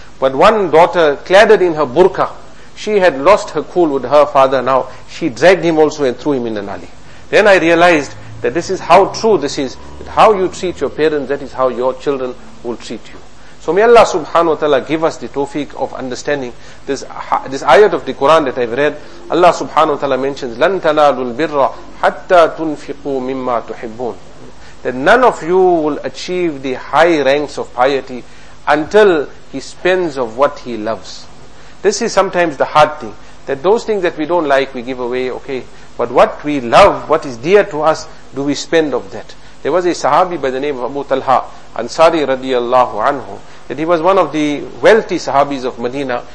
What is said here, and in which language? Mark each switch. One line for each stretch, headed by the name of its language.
English: But one daughter, cladded in her burqa, she had lost her cool with her father now. She dragged him also and threw him in the nali. Then I realized that this is how true this is. That how you treat your parents, that is how your children will treat you. So may Allah subhanahu wa ta'ala give us the tawfiq of understanding this ayat of the Quran that I've read. Allah subhanahu wa ta'ala mentions,
Arabic: لَن تَنَالُوا الْبِرَّ حَتَّى تُنْفِقُوا مِمَّا تُحِبُّونَ.
English: That none of you will achieve the high ranks of piety until he spends of what he loves. This is sometimes the hard thing, that those things that we don't like, we give away, okay. But what we love, what is dear to us, do we spend of that? There was a Sahabi by the name of Abu Talha, Ansari radiallahu anhu, that he was one of the wealthy Sahabis of Medina.